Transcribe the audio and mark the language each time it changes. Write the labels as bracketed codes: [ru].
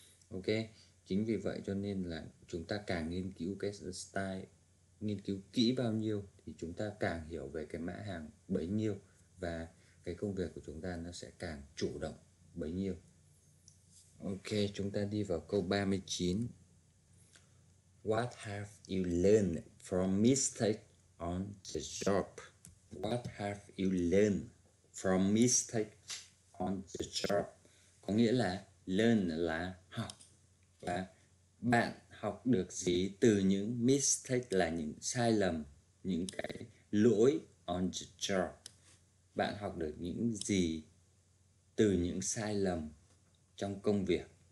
[vi] Ok, chính vì vậy cho nên là chúng ta càng nghiên cứu cái style, nghiên cứu kỹ bao nhiêu thì chúng ta càng hiểu về cái mã hàng bấy nhiêu, và cái công việc của chúng ta nó sẽ càng chủ động bấy nhiêu. Ok, chúng ta đi vào câu 39. [en] What have you learned from mistake on the job? What have you learned from mistake on the job? [vi] Có nghĩa là learn là học. Và bạn học được gì từ những mistake, là những sai lầm, những cái lỗi [en] on the job? [vi] Bạn học được những gì từ những sai lầm trong công việc?